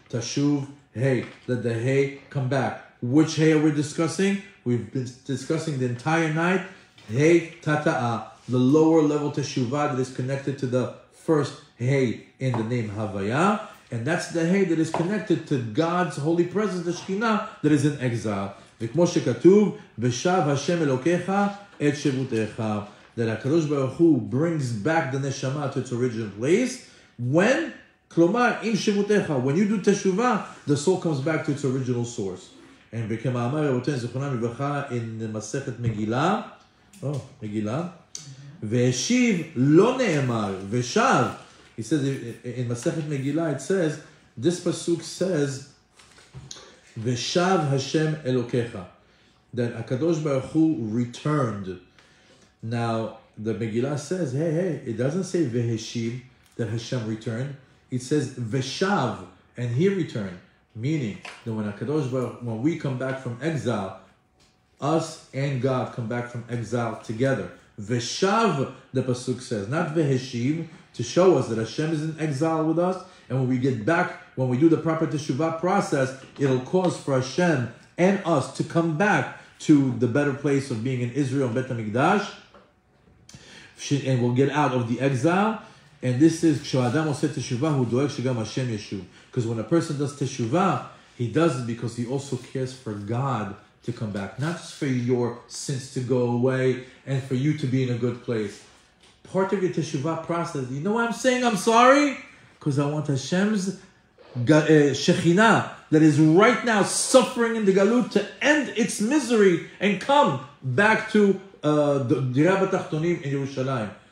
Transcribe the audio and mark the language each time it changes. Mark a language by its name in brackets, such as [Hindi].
[English] Teshuv, hey. Let the hey come back. Which hey are we discussing? We've been discussing the entire night. Hey, tata'a. The lower level teshuvah that is connected to the first hey in the name Havaya. And that's the hey that is connected to God's holy presence, the Shekhinah, that is in exile. [Hebrew] וכמו שכתוב, ושב השם אלוקיך את שבותיך. [English] That HaKadosh Baruch Hu brings back the neshama to its original place. When? [Hebrew] כלומר, אם שבותיך. [English] When you do teshuva, the soul comes back to its original source. And [Hebrew] וכמאמר רבותן זכרונה מברכה [English] in מסכת מגילה. [Hebrew] Oh, מגילה. והשיב לא נאמר ושב. [English] He says, in מסכת מגילה, it says, this pasuk says, [Hebrew] ושב השם אלוקיך. [English] That HaKadosh Baruch Hu returned. Now, the Megillah says, hey, it doesn't say Veheshiv, that Hashem returned. It says Veshav, and he returned. Meaning, that when HaKadosh Baruch, when we come back from exile, us and God come back from exile together. Veshav, the Pasuk says, not Veheshiv, to show us that Hashem is in exile with us. And when we get back, when we do the proper Teshuvah process, it'll cause for Hashem and us to come back to the better place of being in Israel, Bet HaMikdash, and we'll get out of the exile. And this is, [Hebrew] כשהאדם עושה teshuvah, הוא דואג שגם השם ישוב. [English] Because when a person does teshuvah, he does it because he also cares for God to come back. Not just for your sins to go away and for you to be in a good place. Part of your teshuvah process, you know what I'm saying? I'm sorry? Because I want Hashem's Shekhinah that is right now suffering in the galut to end its misery and come back to Dira B'Tachtonim in Yerushalayim.